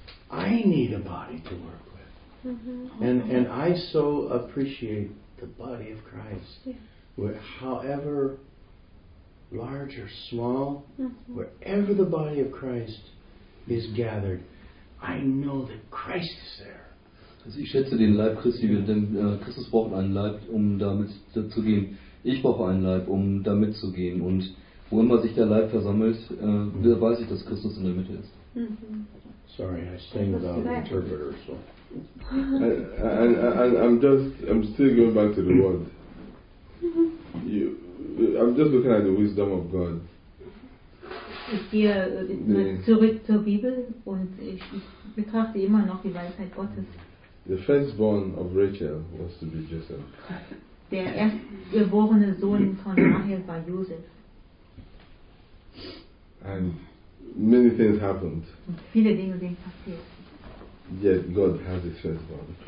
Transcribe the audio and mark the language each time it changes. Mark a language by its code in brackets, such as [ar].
[en] I need a body to work with. And I so appreciate the body of Christ. However large or small, wherever the body of Christ is gathered, I know that Christ is there. [de] Also ich schätze den Leib Christi, Christus braucht einen Leib, um damit zu gehen. Ich brauche einen Leib, um damit zu gehen. Und wo immer sich der Leib versammelt, weiß ich, dass Christus in der Mitte ist. [en] Sorry, I sang without an interpreter. So. I'm still going back to the word. You, I'm just looking at the wisdom of God. [de] Ich gehe zurück zur Bibel und ich betrachte immer noch die Weisheit Gottes. [en] The firstborn of Rachel was to be Joseph. [de] Der erstgeborene Sohn von Rahel war Josef. [en] And many things happened. [de] Und viele Dinge sind passiert. [en] Yet God has His firstborn.